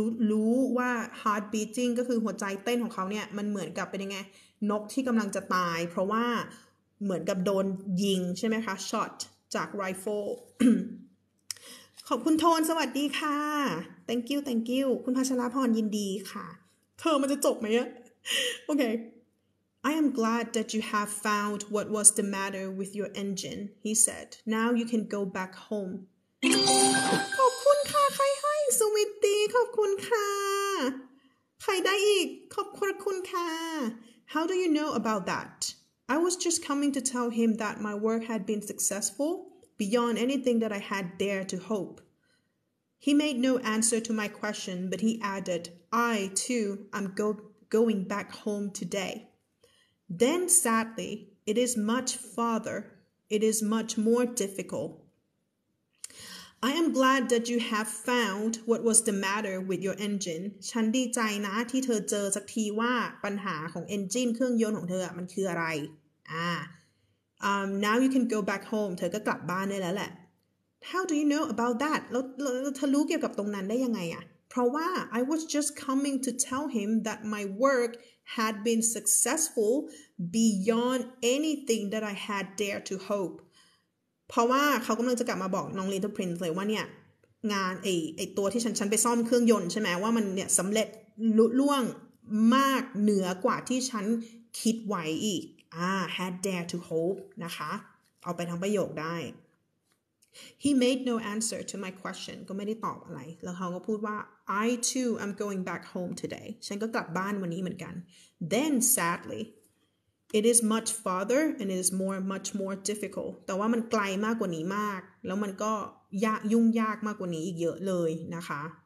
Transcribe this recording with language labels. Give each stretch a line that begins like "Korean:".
Thai: รู้ว่า heart beating ก็คือหัวใจเต้นของเขาเนี่ยมันเหมือนกับเป็นยังไงนกที่กำลังจะตายเพราะว่าเหมือนกับโดนยิงใช่ไหมคะช็อตจากไรเฟิลขอบคุณโทนสวัสดีค่ะ
English: thank you
Thai: คุณพัชราพรยินดีค่ะ เธอมันจะจบไหมอ่ะโอเค
English: I am glad that you have found what was the matter with your engine he said now you can go back home
Thai: ขอบคุณค่ะใครให้สวิตตี้ขอบคุณค่ะใครได้อีกขอบคุณค่ะ
English: how do you know about thatI was just coming to tell him that my work had been successful beyond anything that I had dared to hope. He made no answer to my question, but he added, I, too, am going back home today. Then, sadly, it is much farther. It is much more difficult. I am glad that you have found what was the matter with your engine.
Thai: ฉันดีใจนะที่เธอเจอสักทีว่าปัญหาของเอนจินเครื่องยนต์ของเธอมันคืออะไร
English: Now you can go back home.
Thai: เธอก็กลับบ้านได้แล้วแหละ
English: How do you know about that?
Thai: แล้วเธอรู้เกี่ยวกับตรงนั้นได้ยังไงอ่ะ เพราะว่า
English: I was just coming to tell him that my work had been successful beyond anything that I had dared to hope.
Thai: เพราะว่าเขากำลังจะกลับมาบอกน้องลิตเติ้ลพรินซ์เลยว่าเนี่ยงานไอตัวที่ฉันไปซ่อมเครื่องยนต์ใช่ไหมว่ามันเนี่ยสำเร็จลุล่วงมากเหนือกว่าที่ฉันคิดไว้อีก
English: had dared to hope
Thai: นะคะเอาไปทั้งประโยคได้
English: he made no answer to my question
Thai: ก็ไม่ได้ตอบอะไรแล้วเขาก็พูดว่า
English: I too am going back home today
Thai: ฉันก็กลับบ้านวันนี้เหมือนกัน
English: then sadly it is much farther and it is much more difficult
Thai: แต่ว่ามันไกลมากกว่านี้มากแล้วมันก็ยากยุ่งยากมากกว่านี้อีกเยอะเลยนะคะ